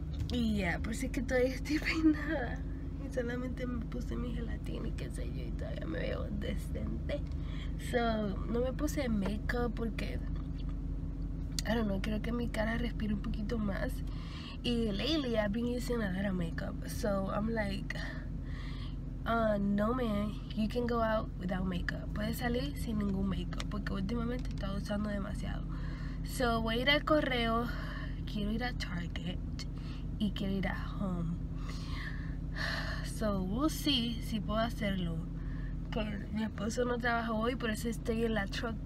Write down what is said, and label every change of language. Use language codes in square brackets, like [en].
[es] Y ya, por si es que todavía estoy peinada y solamente me puse mi gelatina y qué sé yo, y todavía me veo decente. So, no me puse makeup porque, creo que mi cara respire un poquito más. [en] Y lately I've been using a lot of makeup. So I'm like, no man, you can go out without makeup. [es] Puedes salir sin ningún makeup, porque últimamente estaba usando demasiado. So voy a ir al correo, quiero ir a Target y quiero ir a Home. [en] So we'll see [es] si puedo hacerlo. Mi esposo no trabaja hoy, por eso estoy en la truck.